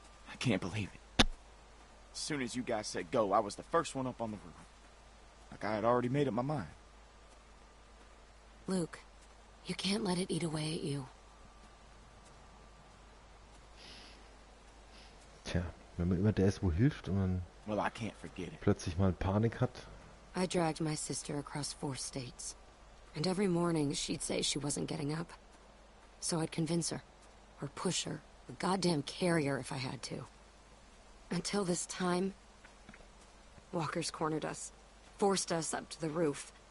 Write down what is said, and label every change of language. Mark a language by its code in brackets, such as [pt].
[en] I can't believe it. As soon as you guys said go, I was the first one up on the roof. Like I had already made up my mind. Luke, you can't let it eat away at you. [de] Tja, wenn man immer der ist, wo hilft und man [en] well, I can't forget it. [de] Plötzlich mal Panik hat. [en] I dragged my sister across 4 states. And every morning she'd say she wasn't getting up. So I'd convince her. Or push her. A goddamn carrier if I had to. Until this time, walkers cornered us, forced us up to the roof.